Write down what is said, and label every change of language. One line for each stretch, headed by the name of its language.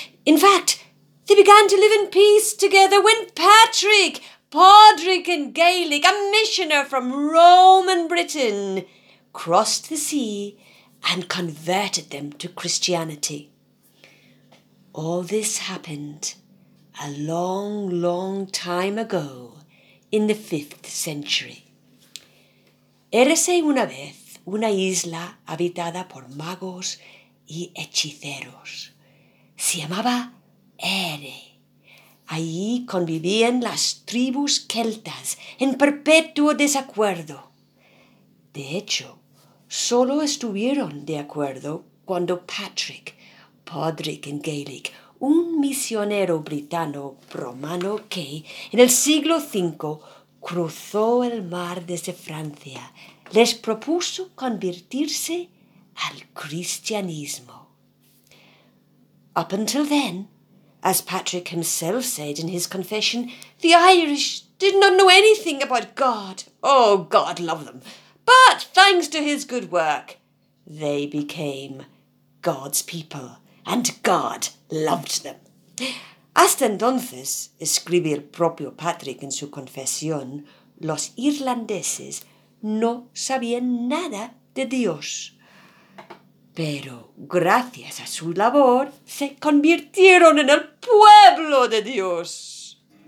English: In fact, they began to live in peace together when Patrick, Padraic in Gaelic, a missioner from Rome and Britain, crossed the sea and converted them to Christianity. All this happened a long, long time ago in the 5th century.
Spanish: Érase una vez una isla habitada por magos y hechiceros. Se llamaba Ere. Allí convivían las tribus celtas en perpetuo desacuerdo. De hecho, solo estuvieron de acuerdo cuando Patrick, Padraic en Gaelic, un misionero britano-romano que, en el siglo V, cruzó el mar desde Francia, les propuso convertirse al cristianismo.
English: Up until then, as Patrick himself said in his confession, the Irish did not know anything about God. Oh, God love them. But thanks to his good work, they became God's people, and God loved them.
Spanish: Hasta entonces, escribe el propio Patrick en su confesión, los irlandeses no sabían nada de Dios, pero gracias a su labor se convirtieron en el pueblo de Dios.